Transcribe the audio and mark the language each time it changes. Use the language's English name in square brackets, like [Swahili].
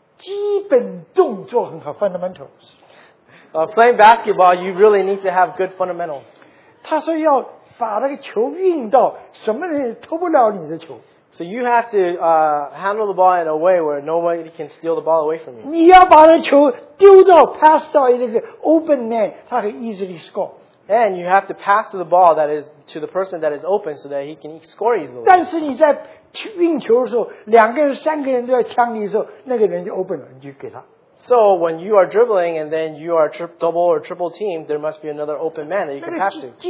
[Chinese] 打篮球一定要基本动作很好, fundamentals. [English] Playing basketball, you really need to have good fundamentals. [Chinese] 他说要把那个球运到什么人投不了你的球。 [English] So you have to handle the ball in a way where nobody can steal the ball away from you. [Chinese] 你要把那球丢到 pass 到一个 [English] open man， [Chinese] 他很 [English] easily score. And you have to pass the ball that is to the person that is open so that he can score easily. [Chinese] 但是你在运球的时候，两个人、三个人都要抢你的时候，那个人就 open 了，你就给他。 [English] So when you are dribbling and then you are double or triple teamed, there must be another open man that you can pass to.